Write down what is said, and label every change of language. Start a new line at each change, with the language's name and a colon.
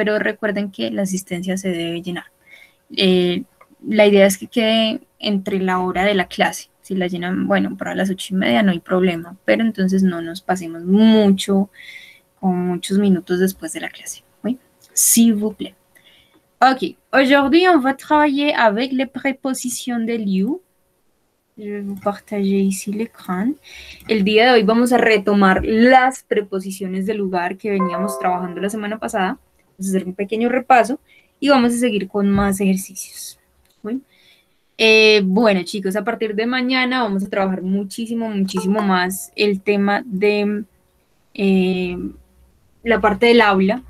Spanish: Pero recuerden que la asistencia se debe llenar. La idea es que quede entre la hora de la clase. Si la llenan, bueno, para las 8:30 no hay problema, pero entonces no nos pasemos mucho o muchos minutos después de la clase.
French: ¿Sí? S'il vous plaît. Ok, aujourd'hui on va travailler avec les prépositions de lieu. Je vais vous partager ici l'écran.
Spanish: El día de hoy vamos a retomar las preposiciones de lugar que veníamos trabajando la semana pasada. Vamos a hacer un pequeño repaso y vamos a seguir con más ejercicios. ¿Sí? Bueno, chicos, a partir de mañana vamos a trabajar muchísimo, muchísimo más el tema de la parte del habla.